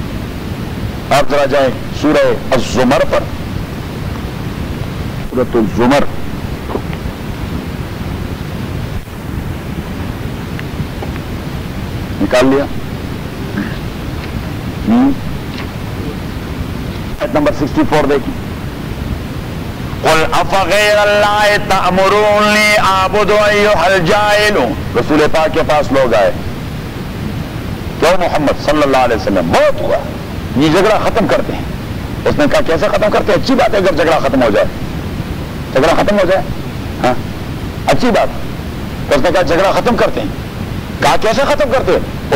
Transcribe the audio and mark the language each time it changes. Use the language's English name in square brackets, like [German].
[Hindi] अब जरा जाए सूरह अज़्ज़ुमर पर, सूरतुल ज़ुमर निकाल लिया, नंबर 64 देखिए। [Arabic] قل افغير الله تأمروني اعبد ايها الجاهلون, [Hindi] रसूल पाक के पास लोग आए, क्यों मोहम्मद सल्लल्लाहु अलैहि वसल्लम, बहुत हुआ ये झगड़ा खत्म करते हैं। उसने कहा कैसे खत्म करते हैं? अच्छी बात है अगर झगड़ा खत्म हो जाए, झगड़ा खत्म हो जाए हाँ अच्छी बात। उसने कहा झगड़ा खत्म करते हैं, कहा कैसे खत्म करते हैं?